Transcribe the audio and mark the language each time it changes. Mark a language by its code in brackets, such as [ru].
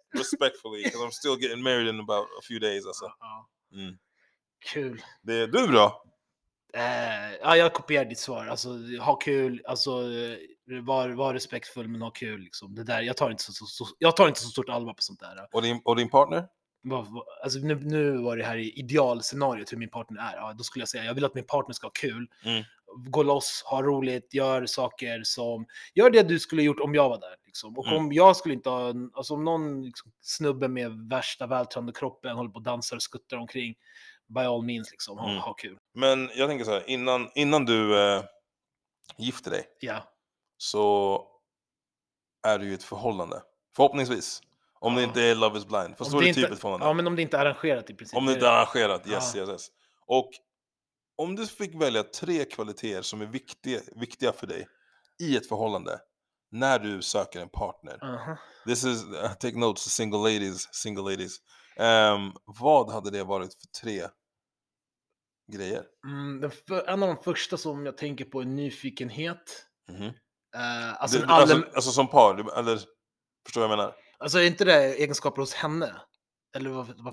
[en] Respectfully, because I'm still getting married in about a few days. [sv] Alltså. Kul. Det är du bra. Ja, jag kopierar ditt svar. Alltså, ha kul. Alltså, var respektfull, men ha kul. Liksom. Det där, jag tar inte så stort allvar på sånt där. Och din partner? Alltså nu var det här idealscenariot hur min partner är. Ja, då skulle jag säga, jag vill att min partner ska ha kul. Gå loss, ha roligt, gör saker som, gör det du skulle gjort om jag var där liksom. Och om jag skulle inte ha, alltså om någon liksom, snubbe med värsta vältrande kroppen håller på och dansar och skuttar omkring, [en] by all means [sv] liksom, ha kul. Men jag tänker så här, innan du gifter dig, så är du ju ett förhållande, förhoppningsvis. Om det inte är Love is Blind. Förstår du typet från honom? Ja, men om det inte är arrangerat i princip. Om det inte är arrangerat, yes. Och om du fick välja tre kvaliteter som är viktiga för dig i ett förhållande när du söker en partner. [en] This is, take notes, single ladies. [sv] Vad hade det varit för tre grejer? En av de första som jag tänker på är nyfikenhet. Alltså som par, eller förstår vad jag menar? Alltså är inte det egenskaper hos henne? Eller vad